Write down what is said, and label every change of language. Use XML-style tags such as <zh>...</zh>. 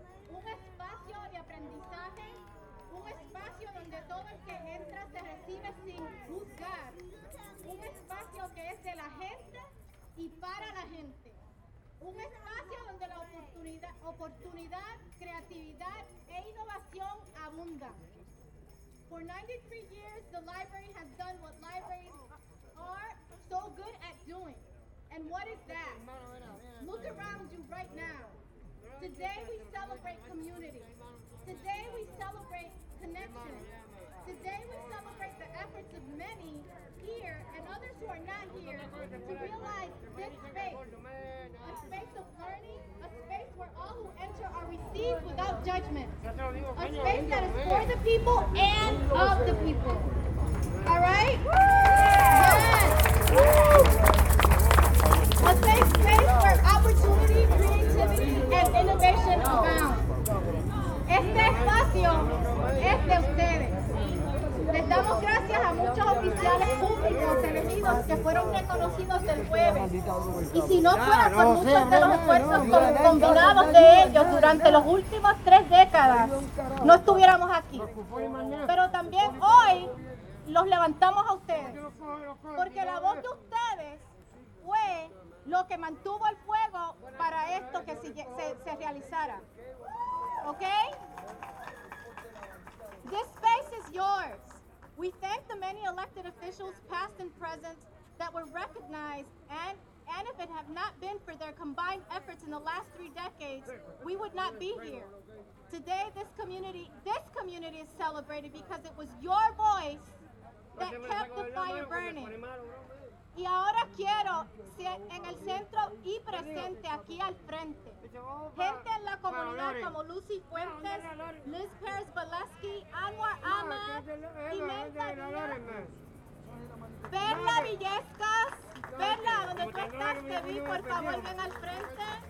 <es>Un espacio de aprendizaje, un espacio donde todo el que entra se recibe sin juzgar. Un espacio que es de la gente y para la gente. Un espacio donde la oportunidad, creatividad e innovación abundan.</es> <en>For 93 years, the library has done what libraries are so good at doing. And what is that? Look around you right now. Today we celebrate community. Today we celebrate connection. Today we celebrate the efforts of many here and others who are not here to realize this space, a space of learning, a space where all who enter are received without judgment, a space that is for the people and of the people. All right? Yes. A safe space where opportunity, creativity, and innovation abound.</en> <es>Este espacio es de ustedes. Les damos gracias a muchos oficiales públicos elegidos que fueron reconocidos el jueves. Y si no fuera por muchos de los esfuerzos combinados de ellos durante los últimos 3 décadas, no estuviéramos aquí. Pero también hoy los levantamos a ustedes. Porque la voz de ustedes fue lo que mantuvo el fuego para esto que se realizara. ¿Ok?</es> <en>This space is yours. We thank the many elected officials, past and present, that were recognized, and if it had not been for their combined efforts in the last 3 decades, we would not be here. Today, this community is celebrated because it was your voice that kept the fire burning.</en> <es>Y ahora quiero, en el centro y presente, aquí al frente, gente en la comunidad como Lucy Fuentes, Liz Perez Valesky, Anwar Ahmad, Imelda Díaz, Perla Villescas, Perla, donde tú estás, te vi, por favor, ven al frente.</es>